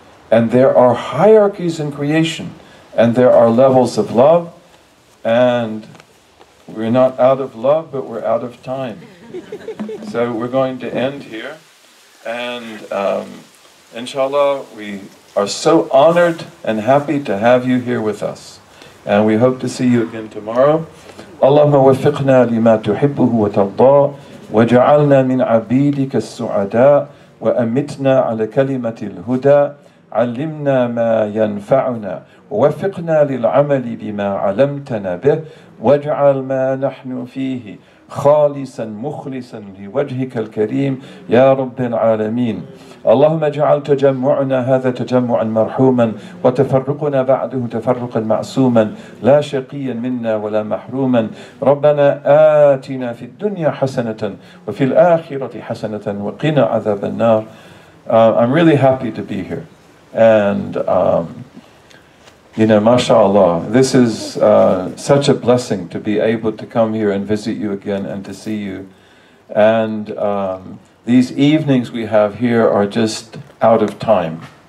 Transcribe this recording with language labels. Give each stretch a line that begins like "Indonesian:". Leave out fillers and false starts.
English: And there are hierarchies in creation, and there are levels of love, and we're not out of love, but we're out of time. So we're going to end here. And inshallah, we are so honored and happy to have you here with us. And we hope to see you again tomorrow.
Arabic: Allahumma waffiqna lima tuhibbuhu wa tarda, waj'alna min abidika as-su'ada, wa amitna ala kalimati al-huda, علمنا ما ينفعنا ووفقنا للعمل بما علمتنا به واجعل ما نحن فيه خالصا مخلصا لوجهك الكريم يا رب العالمين. اللهم اجعل تجمعنا هذا تجمعا مرحوما وتفرقنا بعده تفرقا معصوما لا شقيا منا ولا محروما. ربنا آتنا في الدنيا حسنة وفي الآخرة حسنة وقنا عذاب النار.
English: I'm really happy to be here. And, you know, mashallah, this is such a blessing to be able to come here and visit you again and to see you. And these evenings we have here are just out of time.